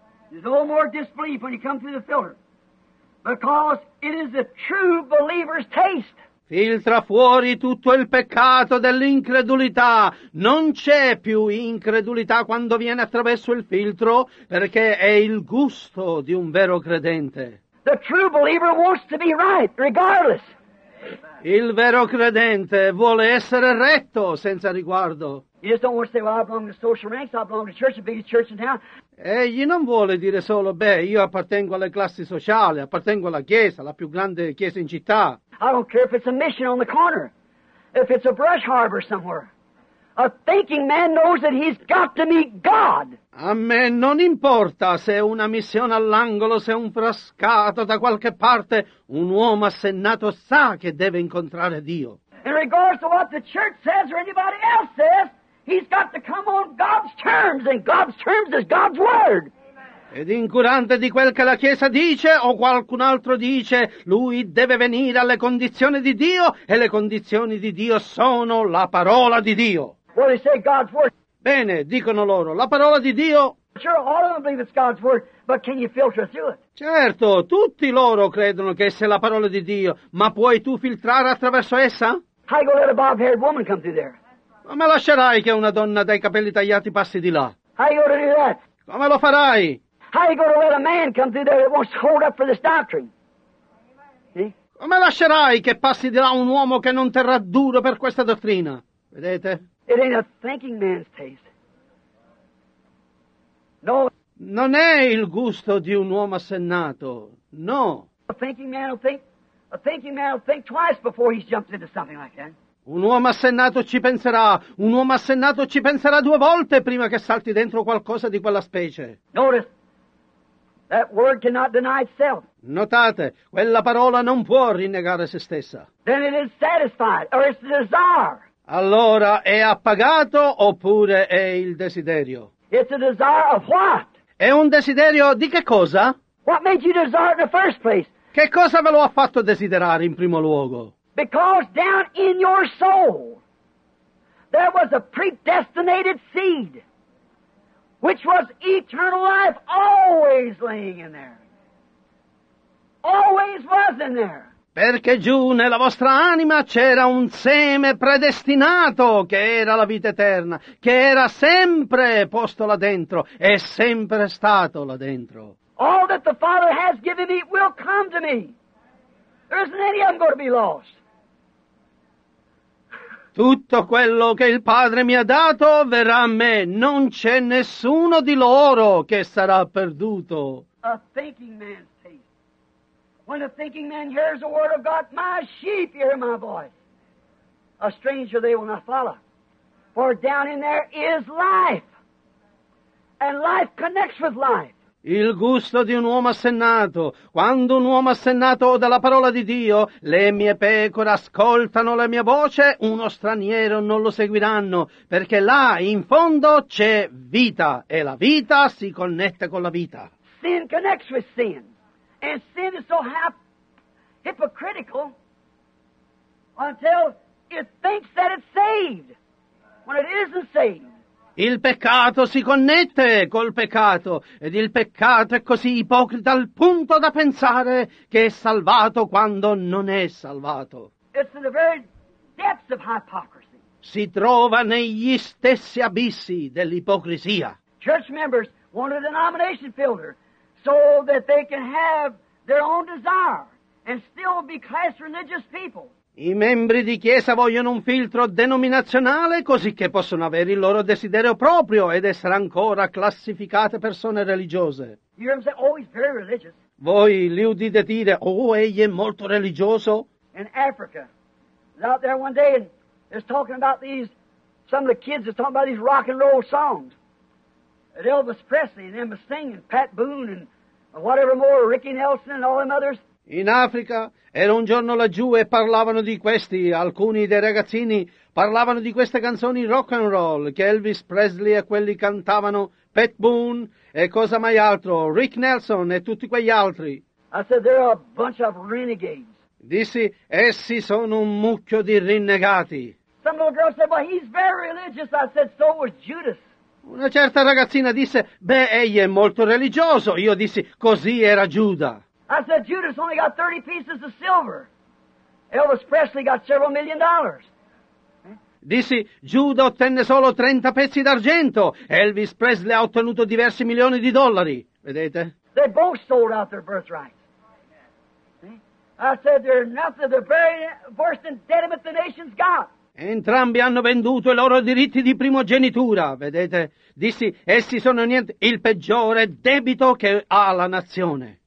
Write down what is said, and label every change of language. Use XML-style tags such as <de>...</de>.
<en>There's no more disbelief when you come through the filter, because it is a true believer's taste.</en> <it>Filtra fuori tutto il peccato dell'incredulità. Non c'è più incredulità quando viene attraverso il filtro, perché è il gusto di un vero credente.</it> <en>The true believer wants to be right, regardless.</en> <it>Il vero credente vuole essere retto senza riguardo.</it> <en>He just don't want to say, well, I belong to social ranks, I belong to church, the biggest church in town.</en> <it>Egli non vuole dire solo, beh, io appartengo alle classi sociali, appartengo alla chiesa, la più grande chiesa in città.</it> <en>I don't care if it's a mission on the corner, if it's a brush harbor somewhere. A thinking man knows that he's got to meet God.</en> <it>A me non importa se è una missione all'angolo, se è un frascato da qualche parte, un uomo assennato sa che deve incontrare Dio.</it> <en>In regards to what the church says or anybody else says, he's got to come on God's terms, and God's terms is God's Word.</en> <it>Ed incurante di quel che la Chiesa dice o qualcun altro dice, lui deve venire alle condizioni di Dio e le condizioni di Dio sono la parola di Dio.</it> <en>Well, they say God's Word.</en> <it>Bene, dicono loro, la parola di Dio.</it> <en>Sure, all of them believe it's God's Word, but can you filter through it?</en> <it>Certo, tutti loro credono che sia la parola di Dio, ma puoi tu filtrare attraverso essa?</it> <en>How you gonna let a bob-haired woman come through there?</en> <it>Ma me lascerai che una donna dai capelli tagliati passi di là?</it> <en>How you gonna do that?</en> <it>Come lo farai?</it> <en>How you gonna let a man come through there that wants to hold up for this doctrine?</en> <it>Come lascerai che passi di là un uomo che non terrà duro per questa dottrina? Vedete?</it> <en>It ain't a thinking man's taste. No.</en> <it>Non è il gusto di un uomo assennato. No.</it> <en>A thinking man will think twice before he jumps into something like that.</en> <it>Un uomo assennato ci penserà. Un uomo assennato ci penserà due volte prima che salti dentro qualcosa di quella specie.</it> <en>Notice. That word cannot deny itself.</en> <it>Notate, quella parola non può rinnegare se stessa.</it> <en>Then it is satisfied, or it's the desire.</en> <it>Allora è appagato oppure è il desiderio?</it> <en>It's a desire of what?</en> <it>È un desiderio di che cosa?</it> <en>What made you desire in the first place?</en> <it>Che cosa ve lo ha fatto desiderare in primo luogo?</it> <en>Because down in your soul there was a predestinated seed. Which was eternal life always laying in there. Always was in there.</en> <it>Perché giù nella vostra anima c'era un seme predestinato che era la vita eterna, che era sempre posto là dentro, è sempre stato là dentro.</it> <en>All that the Father has given me will come to me. There isn't any of them going to be lost.</en> <it>Tutto quello che il Padre mi ha dato verrà a me. Non c'è nessuno di loro che sarà perduto.</it> <en>A thinking man's taste. When a thinking man hears the word of God, my sheep hear my voice. A stranger they will not follow. For down in there is life. And life connects with life.</en> <it>Il gusto di un uomo assennato. Quando un uomo assennato ode la parola di Dio, le mie pecore ascoltano la mia voce, uno straniero non lo seguiranno, perché là in fondo c'è vita, e la vita si connette con la vita.</it> <en>Sin connects with sin, and sin is so hypocritical until it thinks that it's saved, when it isn't saved.</en> <it>Il peccato si connette col peccato, ed il peccato è così ipocrita al punto da pensare che è salvato quando non è salvato.</it> <en>It's in the very depths of hypocrisy.</en> <it>Si trova negli stessi abissi dell'ipocrisia.</it> <en>Church members want a denomination filter so that they can have their own desire and still be class religious people.</en> <it>I membri di chiesa vogliono un filtro denominazionale così che possono avere il loro desiderio proprio ed essere ancora classificate persone religiose.</it> <en>You hear him say, oh, he's very religious.</en> <it>Voi li udite dire, oh, egli è molto religioso.</it> <en>In Africa, out there one day and is talking about these, some of the kids are talking about these rock and roll songs. And Elvis Presley and them singing, Pat Boone and whatever more, Ricky Nelson and all them others.</en> <it>In Africa, ero un giorno laggiù e parlavano di questi, alcuni dei ragazzini, parlavano di queste canzoni rock and roll, che Elvis Presley e quelli cantavano, Pat Boone e cosa mai altro, Rick Nelson e tutti quegli altri.</it> <en>I said, they're a bunch of renegades.</en> <it>Dissi, essi sono un mucchio di rinnegati.</it> <en>Some little girl said, well, he's very religious. I said, so was Judas.</en> <it>Una certa ragazzina disse, beh, egli è molto religioso. Io dissi, così era Giuda.</it> <en>I said, Judas only got 30 pieces of silver. Elvis Presley got several million dollars.</en> <it>Dissi, Giuda ottenne solo 30 pezzi d'argento. Elvis Presley ha ottenuto diversi milioni di dollari. Vedete?</it> <en>They both sold out their birthrights. I said, they're nothing, they're very worse than dead of the nation's got.</en> <it>Entrambi hanno venduto i loro diritti di primogenitura, vedete? Dissi, essi sono niente, il peggiore debito che ha la nazione.</it>